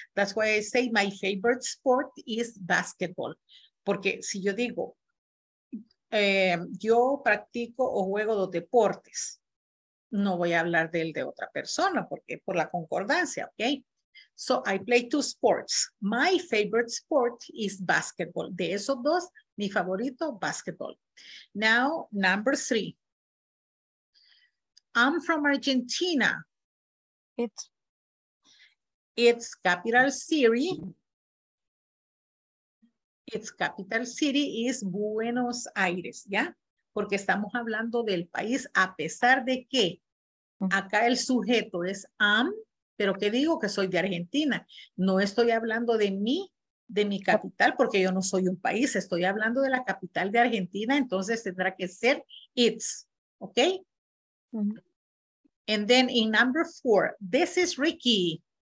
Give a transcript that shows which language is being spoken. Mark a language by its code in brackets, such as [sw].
[en] That's why I say my favorite sport is basketball. [es] Porque si yo digo, yo practico o juego dos deportes, no voy a hablar del de otra persona, porque por la concordancia, ¿ok? [en] So I play two sports. My favorite sport is basketball. [es] De esos dos, mi favorito, basketball. [en] Now, number three. I'm from Argentina. Its capital city. Its capital city is Buenos Aires, ¿ya? [es] Porque estamos hablando del país, a pesar de que acá el sujeto es I'm. Pero que digo que soy de Argentina. No estoy hablando de mi capital, porque yo no soy un país. Estoy hablando de la capital de Argentina. Entonces tendrá que ser its. ¿Ok? [en] And then in number four, this is Ricky.